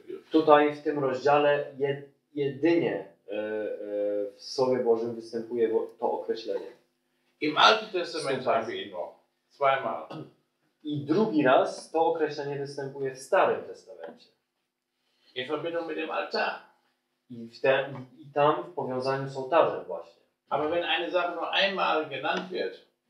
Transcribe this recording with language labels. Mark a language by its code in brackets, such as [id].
[pl] Tutaj w tym rozdziale jedynie w Słowie Bożym występuje to określenie. [de] Im Alten Testament haben wir ihn noch. Zweimal. [pl] I drugi raz to określenie występuje w Starym Testamencie. [de] In Verbindung mit dem Altar. [pl] I tam w powiązaniu z ołtarzem właśnie. [de] Aber wenn eine Sache nur einmal genannt wird,